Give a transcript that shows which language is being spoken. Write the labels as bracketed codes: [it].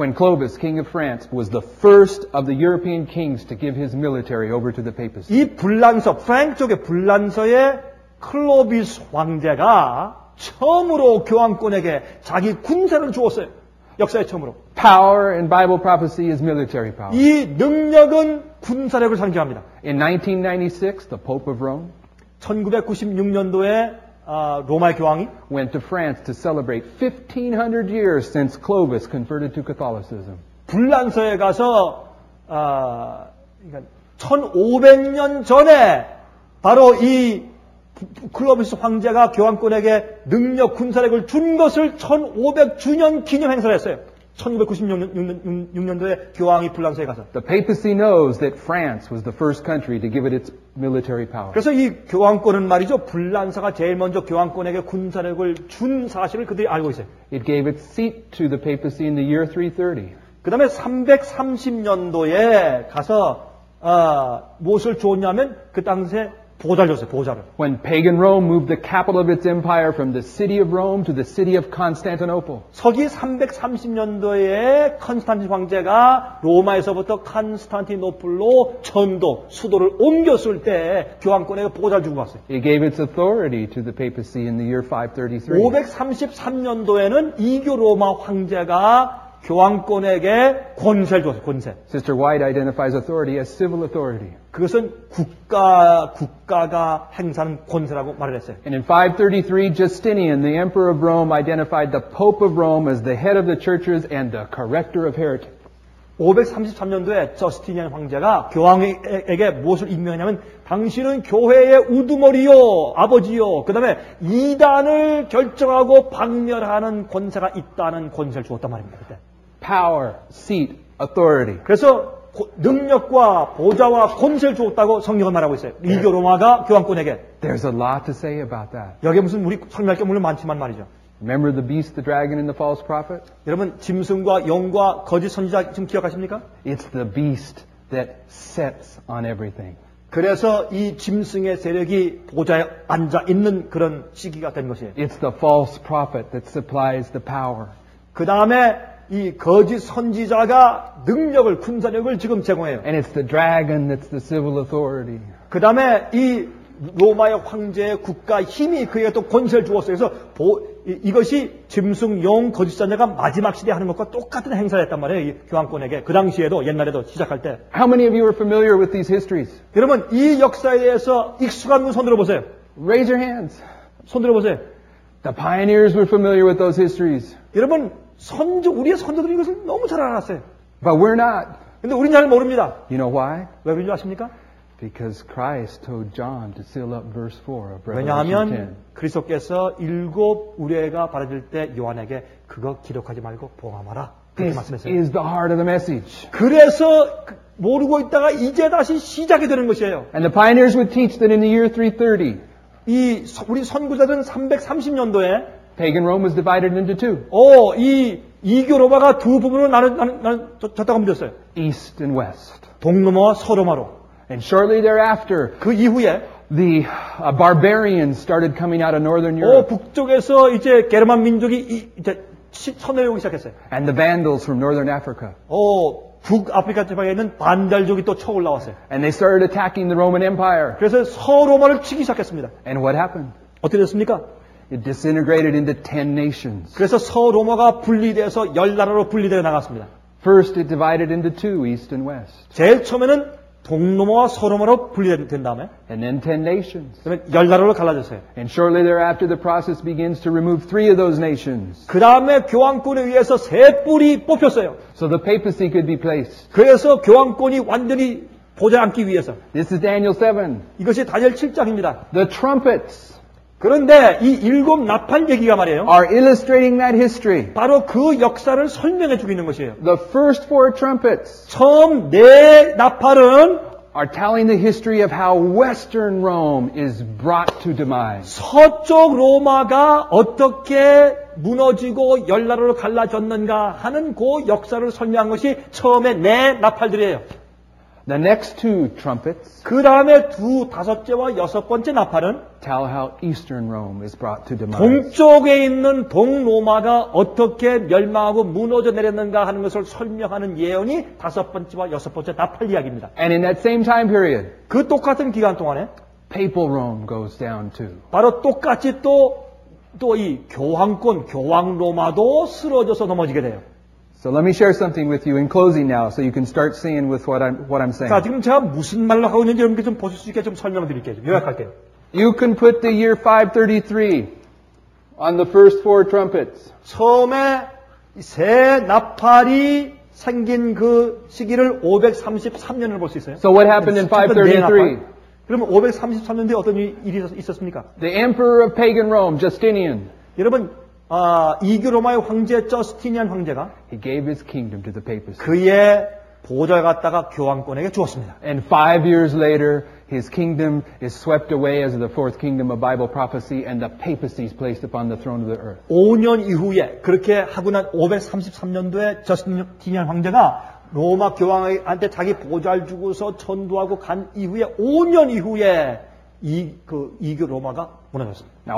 [en] When Clovis, king of France, was the first of the European kings to give his military over to the papacy. [ko] 이 불란서, 프랑스 쪽의 불란서의 클로비스 황제가 처음으로 교황권에게 자기 군사를 주었어요. 역사의 처음으로. [en] Power in Bible prophecy is military power. [ko] 이 능력은 군사력을 상징합니다. [en] In 1996, the Pope of Rome. [ko] 1996년도에 로마의 교황이 [en] went to France to celebrate 1500 years since Clovis converted to Catholicism. [ko] 불란서에 가서 그러니까 1500년 전에 바로 이 클로비스 황제가 교황권에게 능력 군사력을 준 것을 1500주년 기념 행사를 했어요. 1996년도에 교황이 불란서에 가서. [en] The papacy knows that France was the first country to give it its military power. [ko] 그래서 이 교황권은 말이죠. 불란서가 제일 먼저 교황권에게 군사력을 준 사실을 그들이 알고 있어요. [en] It gave its seat to the papacy in the year 330. [ko] 그 다음에 330년도에 가서 무엇을 주었냐면 그 당시에 보좌를 줬어요, 보좌를. [en] When pagan Rome moved the capital of its empire from the city of Rome to the city of Constantinople. [ko] 서기 330년도에 콘스탄티 황제가 로마에서부터 콘스탄티노플로 전도, 수도를 옮겼을 때 교황권에 보좌를 주고 왔어요. [en] He gave its authority to the papacy in the year 533. [ko] 533년도에는 이교 로마 황제가 교황권에게 권세를 줬어요, 권세. [en] Sister White identifies authority as civil authority. [ko] 그것은 국가가 행사하는 권세라고 말을 했어요. [en] And in 533, Justinian, the emperor of Rome, identified the pope of Rome as the head of the churches and the corrector of heretics. [ko] 533년도에 저스티니안 황제가 교황에게 무엇을 임명하냐면 당신은 교회의 우두머리요, 아버지요, 그 다음에 이단을 결정하고 박멸하는 권세가 있다는 권세를 주었단 말입니다. 그때. [en] Power, seat, authority. [ko] 그래서 능력과 보좌와 권세를 주었다고 성경은 말하고 있어요. 이교 로마가 교황권에게. [en] There's a lot to say about that. [ko] 여기 무슨 우리 설명할 게 물론 많지만 말이죠. [en] Remember the beast, the dragon, and the false prophet? [ko] 여러분 짐승과 영과 거짓 선지자 지금 기억하십니까? [en] It's the beast that sets on everything. [ko] 그래서 이 짐승의 세력이 보좌에 앉아 있는 그런 시기가 된 것이에요. [en] It's the false prophet that supplies the power. [ko] 그 다음에 이 거짓 선지자가 능력을, 군사력을 지금 제공해요. [en] And it's the dragon that's the civil authority. [ko] 그 다음에 이 로마의 황제의 국가 힘이 그에게 또 권세를 주었어요. 그래서 이것이 짐승, 용, 거짓 선지자가 마지막 시대에 하는 것과 똑같은 행사를 했단 말이에요. 이 교황권에게. 그 당시에도, 옛날에도 시작할 때. [en] How many of you are familiar with these histories? [ko] 여러분, 이 역사에 대해서 익숙한 분 손 들어보세요. [en] Raise your hands. [ko] 손 들어보세요. [en] The pioneers were familiar with those histories. [ko] 여러분, 우리의 선조들이 이것을 너무 잘 알았어요. [en] But we're not. [ko] 근데 우린 잘 모릅니다. [en] You know why? [ko] 왜 그런지 아십니까? [en] Because Christ told John to seal up verse 4 of Revelation [ko] 왜냐하면 [en] 10. [ko] 그리스도께서 일곱 우레가 바라질 때 요한에게 그거 기록하지 말고 보암하라. 그렇게 말씀했어요. [en] This is the heart of the message. [ko] 그래서 모르고 있다가 이제 다시 시작이 되는 것이에요. [en] And the pioneers would teach that in the year 330. [ko] 우리 선구자들은 330년도에 [en] Pagan Rome was divided into two. [ko] 이 이교 로마가 두 부분으로 나눠졌다고 믿었어요. [en] East and West. [ko] 동로마와 서로마로. [en] And shortly thereafter, [ko] 그 이후에 [en] the barbarians started coming out of northern Europe. [ko] 북쪽에서 이제 게르만 민족이 이제 쳐내려오기 시작했어요. [en] And the Vandals from northern Africa. [ko] 북아프리카 지방에 있는 반달족이 또 쳐올라왔어요. [en] And they started attacking the Roman Empire. [ko] 그래서 서로마를 치기 시작했습니다. [en] And what happened? [ko] 어떻게 됐습니까? [en] It disintegrated into 10 nations. [ko] 그래서 서로마가 분리돼서 열 나라로 분리되어 나갔습니다. [en] First, it divided into two, east and west. [ko] 제일 처음에는 동로마와 서로마로 분리된 다음에, [en] and then 10 nations. [ko] 그다음에 열 나라로 갈라졌어요. [en] And shortly thereafter, the process begins to remove three of those nations. [ko] 그 다음에 교황권에 의해서 세 뿔이 뽑혔어요. [en] So the papacy could be placed. [ko] 그래서 교황권이 완전히 보좌 앉기 위해서. [en] This is Daniel 7. [ko] 이것이 다니엘 7장입니다. [en] The trumpets. [ko] 그런데 이 일곱 나팔 얘기가 말이에요. [en] Are illustrating that history. [ko] 바로 그 역사를 설명해 주고 있는 것이에요. [en] The first four trumpets. [ko] 처음 네 나팔은 [en] are telling the history of how Western Rome is brought to demise. [ko] 서쪽 로마가 어떻게 무너지고 열나라로 갈라졌는가 하는 그 역사를 설명한 것이 처음에 네 나팔들이에요. [en] The next two trumpets. [ko] 그 다음에 두 다섯째와 여섯 번째 나팔은 [en] tell how Eastern Rome is brought to demise. [ko] 동쪽에 있는 동로마가 어떻게 멸망하고 무너져 내렸는가 하는 것을 설명하는 예언이 다섯 번째와 여섯 번째 나팔 이야기입니다. [en] And in that same time period. [ko] 그 똑같은 기간 동안에 [en] Papal Rome goes down too. [ko] 바로 똑같이 또 이 교황권 교황 로마도 쓰러져서 넘어지게 돼요. [en] So let me share something with you in closing now so you can start seeing with what I'm saying. [ko] 자, 지금 제가 무슨 말로 하고 있는지 여러분께 좀 보실 수 있게 좀 설명을 드릴게요. 좀 요약할게요. [en] You can put the year 533 on the first four trumpets. [ko] 처음에 세 나팔이 생긴 그 시기를 533년을 볼 수 있어요. [en] So what happened in 533? [ko] 그러면 533년 뒤에 어떤 일이 있었습니까? [en] The emperor of pagan Rome, Justinian. [ko] 여러분 이교 로마의 황제 저스티니안 황제가 [en] He gave his kingdom to the papacy. [ko] 그의 보좌를 갖다가 교황권에게 주었습니다. [en] And 5 years later, his kingdom is swept away as the fourth kingdom of Bible prophecy, and the papacy is placed upon the throne of the earth. [ko] 5년 이후에 그렇게 하고 난 533년도에 저스티니안 황제가 로마 교황한테 자기 보좌를 주고서 전도하고 간 이후에 5년 이후에 이교 로마가 무너졌습니다.